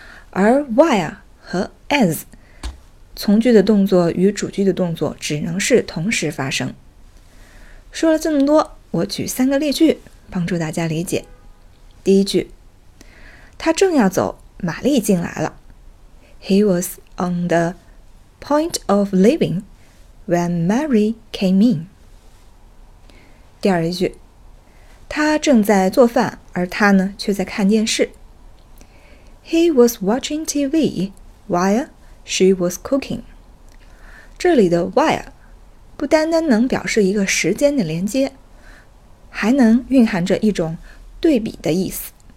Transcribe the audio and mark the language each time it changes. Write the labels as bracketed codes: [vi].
[zh] 而 while 和 as 从句的动作与主句的动作只能是同时发生。说了这么多，我举三个例句帮助大家理解。第一句，他正要走，玛丽进来了。 [en] He was on the point of leaving when Mary came in。 [zh] 第二句，他正在做饭，而他呢却在看电视。 [en] He was watching TV while she was cooking。 [zh] 这里的 while 不单单能表示一个时间的连接，还能蕴含着一种对比的意思。